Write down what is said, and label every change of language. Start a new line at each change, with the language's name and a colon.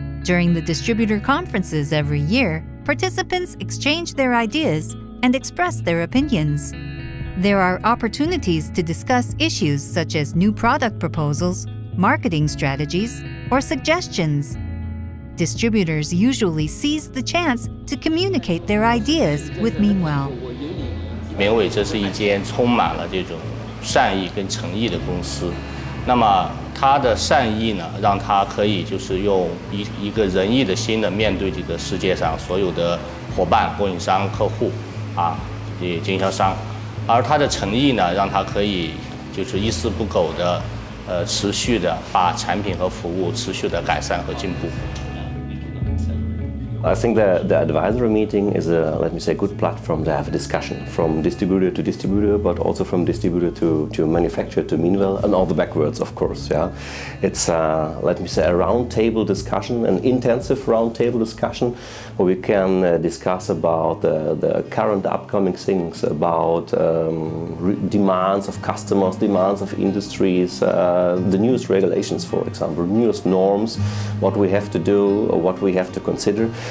English: During the distributor conferences every year, participants exchange their ideas and express their opinions. There are opportunities to discuss issues such as new product proposals, marketing strategies, or suggestions. Distributors usually seize the chance to communicate their ideas with Meanwell. Meanwell is a
Chinese: 善意跟诚意的公司，那么他的善意呢，让他可以就是用一个仁义的心的面对这个世界上所有的伙伴、供应商、客户，以及经销商，而他的诚意呢，让他可以就是一丝不苟的，持续的把产品和服务持续的改善和进步。
English: I think the advisory meeting is a, let me say, good platform to have a discussion from distributor to distributor, but also from distributor to manufacturer to Meanwell, and all the backwards, of course. Yeah, it's a round table discussion, an intensive round table discussion, where we can discuss about the current upcoming things, about demands of customers, demands of industries, the newest regulations, for example, newest norms, what we have to do or what we have to consider.